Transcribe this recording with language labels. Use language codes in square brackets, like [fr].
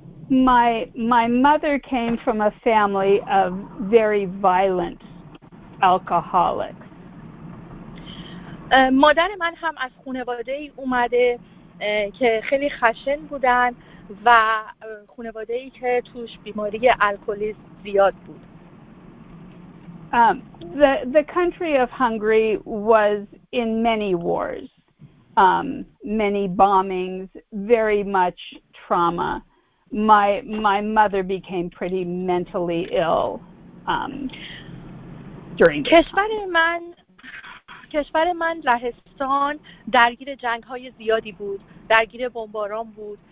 [en] My mother came from a family of very violent alcoholics. [fa] مادر من هم از خانواده ای اومده که خیلی خشن بودن و خانواده ای که توش بیماری الکلیسم زیاد بود. [en] The country of Hungary was in many wars, many bombings, very much trauma. My mother became pretty mentally ill during this time. [fa] کشور من لهستان درگیر جنگ‌های زیادی بود، درگیر بمباران بود